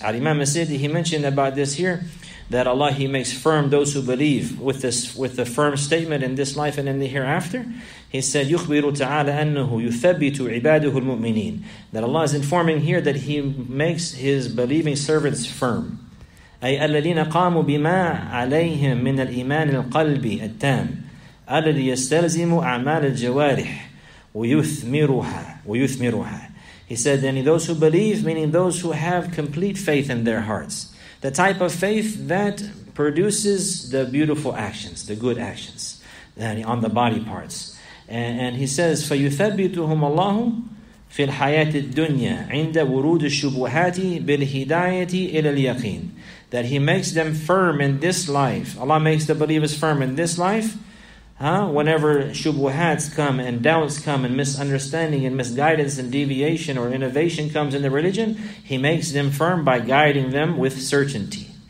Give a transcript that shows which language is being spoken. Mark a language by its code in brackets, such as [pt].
[en] Al-Imam Asidi, he mentioned about this here, that Allah, he makes firm those who believe with this, with the firm statement in this life and in the hereafter. He said, [ar] يُخْبِرُ تَعَالَى أَنَّهُ يُثَبِّتُ عِبَادُهُ الْمُؤْمِنِينَ. [en] That Allah is informing here that he makes his believing servants firm. [ar] أي الذين قاموا بما عليهم من الإيمان القلبي التام الذي يستلزم أعمال الجوارح ويثمرها. [en] He said, and those who believe, meaning those who have complete faith in their hearts, the type of faith that produces the beautiful actions, the good actions, on the body parts. And he says, [ar] فَيُثَبِّتُهُمْ اللَّهُ فِي الْحَيَاةِ الدُّنْيَا عِنْدَ وُرُودِ الشُّبُهَاتِ بِالْهِدَايَةِ إِلَى الْيَقِينِ. [en] That he makes them firm in this life. Allah makes the believers firm in this life. Whenever shubuhats come and doubts come and misunderstanding and misguidance and deviation or innovation comes in the religion, he makes them firm by guiding them with certainty.